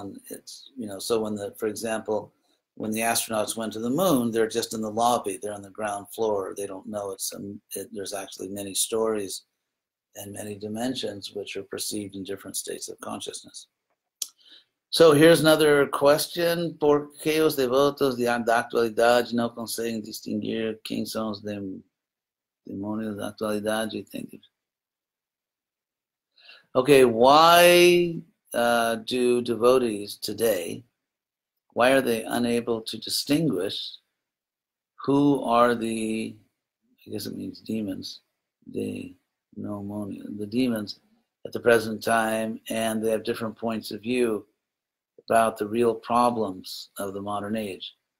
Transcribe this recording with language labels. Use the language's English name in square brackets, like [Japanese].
[English] And it's, you know, so when when the astronauts went to the moon, they're just in the lobby, they're on the ground floor. They don't know there's actually many stories and many dimensions which are perceived in different states of consciousness. So here's another question. [Spanish] ¿Por qué los devotos de actualidad no consiguen distinguir quién son los demonios de actualidad? [English] Do you think? Okay, why do devotees today, why are they unable to distinguish who are the, I guess it means demons, the demons at the present time, and they have different points of view about the real problems of the modern age?